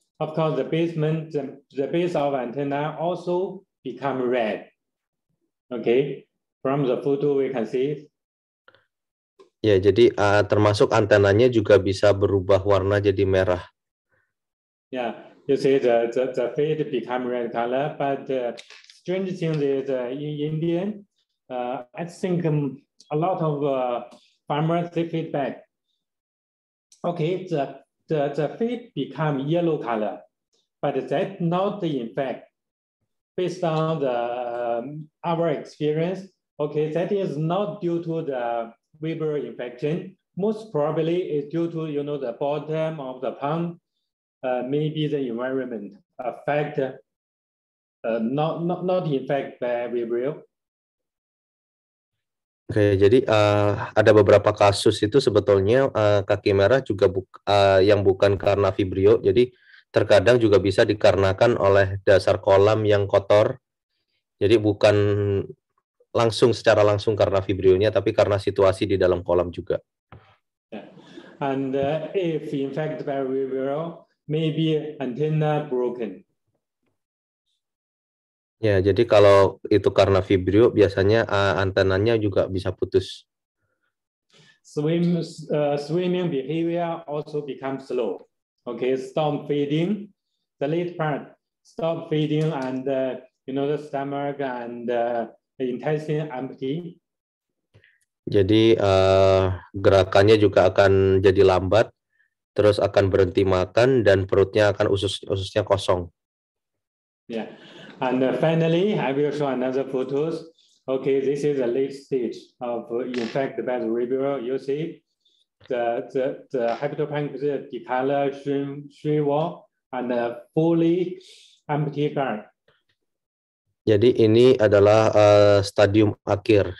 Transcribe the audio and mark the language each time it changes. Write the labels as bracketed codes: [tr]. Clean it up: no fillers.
[en] Of course, the basement, the base of antenna also become red. Okay, from the photo we can see. [id] Ya, jadi termasuk antenanya juga bisa berubah warna jadi merah. [en] Yeah, you see the feet become red color. But the strange thing is in Indian, I think a lot of farmers they feedback. Okay, the feet become yellow color, but that not the infect. Based on the our experience, okay, that is not due to the vibrio infection. Most probably is due to, you know, the bottom of the pond, maybe the environment affect not infect by vibrio. [id] Oke, jadi ada beberapa kasus itu sebetulnya kaki merah juga yang bukan karena vibrio. Jadi terkadang juga bisa dikarenakan oleh dasar kolam yang kotor. Jadi bukan langsung secara langsung karena vibrionya, tapi karena situasi di dalam kolam juga. [en] Yeah. And if in fact by vibrio, maybe antenna broken. [id] Ya, jadi kalau itu karena vibrio, biasanya antenanya juga bisa putus. [en] Swimming behavior also become slow. Okay, stop feeding, the late part, stop feeding, and you know the stomach and the intestine empty. [id] Jadi gerakannya juga akan jadi lambat, terus akan berhenti makan dan perutnya akan ususnya kosong. [en] Ya. Yeah. And finally, I will show another photos. Okay, this is a late stage of infect by the vibrio. You see the hypopancreas decolor, shrivel, and fully empty guard. [id] Jadi ini adalah stadium akhir.